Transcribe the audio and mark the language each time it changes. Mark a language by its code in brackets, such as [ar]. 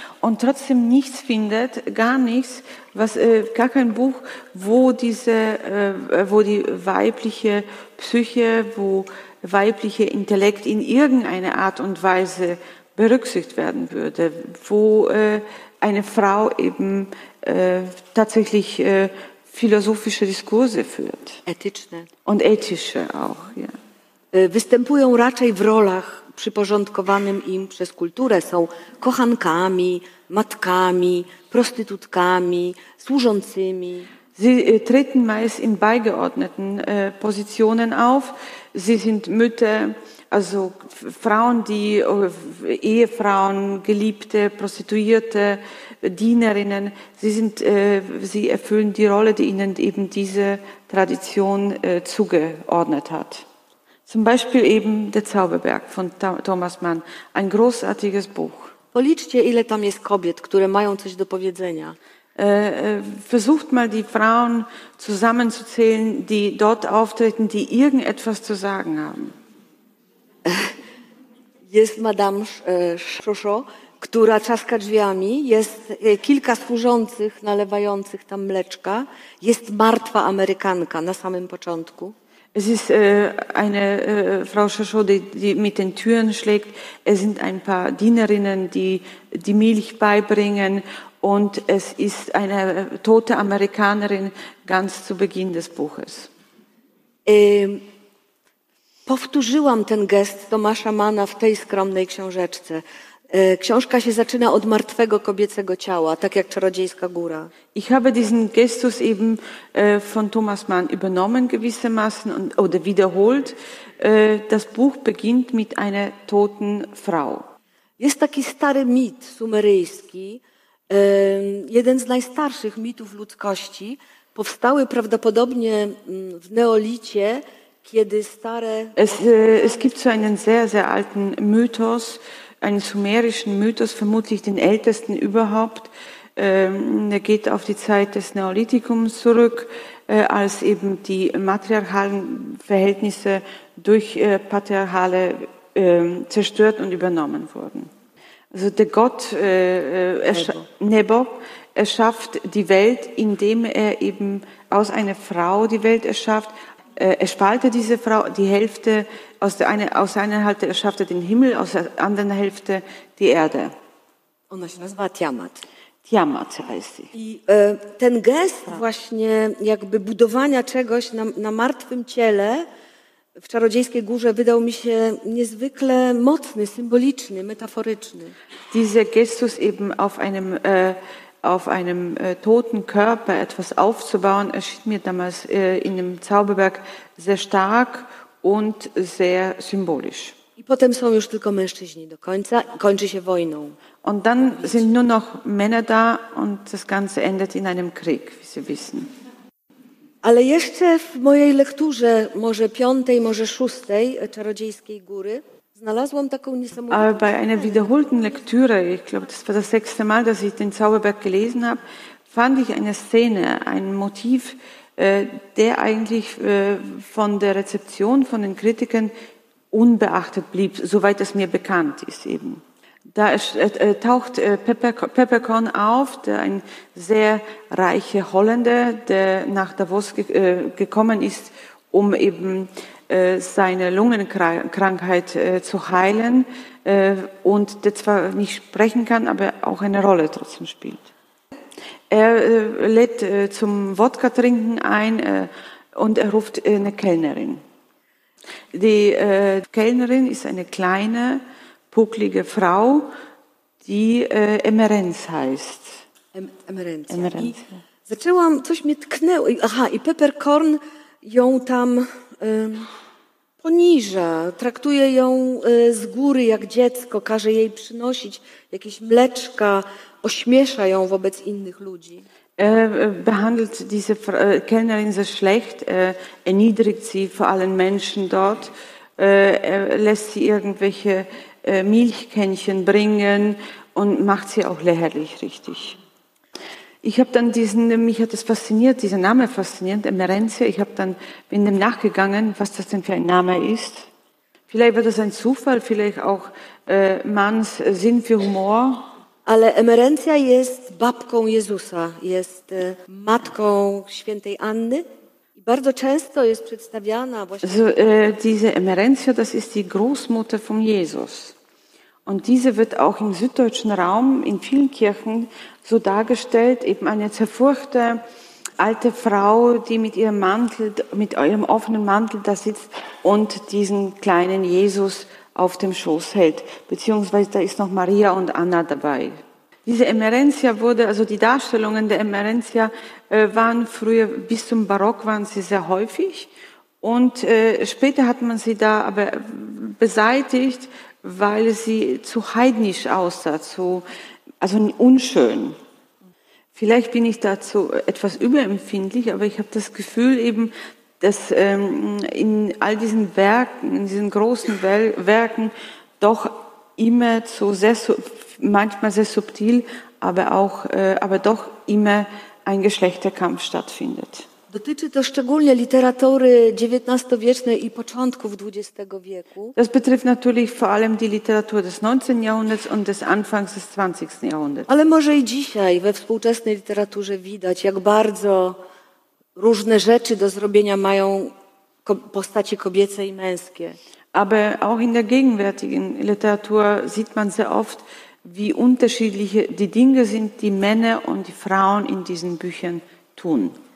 [de] und trotzdem nichts findet, gar nichts, gar kein Buch, wo die weibliche Psyche, wo weibliche Intellekt in irgendeiner Art und Weise berücksichtigt werden würde, wo eine Frau eben tatsächlich philosophische Diskurse führt. Ethische. Und ethische auch, ja. [pl] Występują raczej w rolach przyporządkowanym im przez kulturę. Są kochankami, matkami, prostytutkami, służącymi. [de] Sie treten meist in beigeordneten Positionen auf. Sie sind Mütter, also Frauen, die Ehefrauen, Geliebte, Prostituierte, Dienerinnen, sie erfüllen die Rolle, die ihnen eben diese Tradition zugeordnet hat. Zum Beispiel eben der Zauberberg von Thomas Mann, ein großartiges Buch. [pl] W Policzcie, ile tam jest kobiet, które mają coś do powiedzenia. [de] Versucht mal die Frauen zusammenzuzählen, die dort auftreten, die irgendetwas zu sagen haben. [pl] Jest Madame Chauchot, która czaska drzwiami, jest kilka służących nalewających tam mleczka, jest martwa Amerykanka na samym początku. [de] Es ist eine Frau Chauchot, die mit den Türen schlägt. Es sind ein paar Dienerinnen, die Milch beibringen. Und es ist eine tote Amerikanerin ganz zu Beginn des Buches. [pl] Powtórzyłam ten gest Tomasza Manna w tej skromnej książeczce. Książka się zaczyna od martwego kobiecego ciała, tak jak Czarodziejska Góra. [de] Ich habe diesen Gestus eben von Thomas Mann übernommen gewissermaßen und, oder wiederholt. Das Buch beginnt mit einer toten Frau. [pl] Jest taki stary mit sumeryjski, jeden z najstarszych mitów ludzkości, powstały prawdopodobnie w neolicie, kiedy stare... [de] Es gibt so einen sehr, sehr alten Mythos, einen sumerischen Mythos, vermutlich den ältesten überhaupt. Der geht auf die Zeit des Neolithikums zurück, als eben die matriarchalen Verhältnisse durch patriarchale zerstört und übernommen wurden. Also der Gott Nebo erschafft die Welt, indem er eben aus einer Frau die Welt erschafft. Er spaltet diese Frau, die Hälfte, aus einer Hälfte erschafft er den Himmel, aus der anderen Hälfte die Erde. [pl] Ona się nazywa Tiamat. [de] Tiamat heißt sie. [pl] I ten gest właśnie jakby budowania czegoś na martwym ciele w Czarodziejskiej Górze wydał mi się niezwykle mocny, symboliczny, metaforyczny. [de] Dieser Gestus eben auf einem toten Körper etwas aufzubauen, erschien mir damals in dem Zauberberg sehr stark und sehr symbolisch. [pl] I potem są już tylko mężczyźni do końca, kończy się wojną. [de] Und dann sind nur noch Männer da und das Ganze endet in einem Krieg, wie Sie wissen. [pl] Ale jeszcze w mojej lekturze, może piątej, może szóstej Czarodziejskiej Góry, znalazłam taką niesamowitą... [de] Ale bei einer wiederholten Lektüre, ich glaube, das war das sechste Mal, dass ich den Zauberberg gelesen habe, fand ich eine Szene, ein Motiv, der eigentlich von der Rezeption, von den Kritikern unbeachtet blieb, soweit es mir bekannt ist eben. Da taucht Peppercorn auf, der ein sehr reicher Holländer, der nach Davos gekommen ist, um eben seine Lungenkrankheit zu heilen und der zwar nicht sprechen kann, aber auch eine Rolle trotzdem spielt. Er lädt zum Wodka-Trinken ein und er ruft eine Kellnerin. Die Kellnerin ist eine kleine, bucklige Frau, die Emerenz heißt. Emerenz. [pl] Zaczęłam, coś mnie tknęło. Aha, i Peppercorn ją tam poniża. Traktuje ją z góry jak dziecko. Każe jej przynosić jakieś mleczka. Ośmiesza ją wobec innych ludzi. [de] Behandelt diese Kellnerin sehr schlecht. Erniedrigt sie vor allen Menschen dort. Lässt sie irgendwelche Milchkännchen bringen und macht sie auch lächerlich, richtig. Ich habe dann dieser Name fasziniert, Emerenzia. Ich habe dann in dem nachgegangen, was das denn für ein Name ist. Vielleicht war das ein Zufall, vielleicht auch Manns Sinn für Humor. [pl] Ale Emerenzia jest babką Jezusa, jest matką świętej Anny. Bardzo często jest przedstawiana właśnie... [de] So, diese Emerenzia, das ist die Großmutter von Jesus. Und diese wird auch im süddeutschen Raum in vielen Kirchen so dargestellt, eben eine zerfurchte alte Frau, die mit ihrem Mantel, mit ihrem offenen Mantel da sitzt und diesen kleinen Jesus auf dem Schoß hält. Beziehungsweise da ist noch Maria und Anna dabei. Diese Emerenzia wurde, also die Darstellungen der Emerenzia waren früher, bis zum Barock waren sie sehr häufig. Und später hat man sie da aber beseitigt, weil sie zu heidnisch aussah, also unschön. Vielleicht bin ich dazu etwas überempfindlich, aber ich habe das Gefühl eben, dass in all diesen Werken, in diesen großen Werken doch immer so sehr, manchmal sehr subtil, aber auch, aber doch immer ein Geschlechterkampf stattfindet. [pl] Dotyczy to szczególnie literatury XIX-wiecznej i początków XX wieku. [de] Das betrifft natürlich vor allem die Literatur des 19. Jahrhunderts und des Anfangs des 20. Jahrhunderts. [pl] Ale może i dzisiaj we współczesnej literaturze widać, jak bardzo różne rzeczy do zrobienia mają postaci kobiece i męskie. [de] Aber auch in der gegenwärtigen Literatur sieht man sehr oft, wie unterschiedliche die Dinge sind, die Männer und die Frauen in diesen Büchern tun.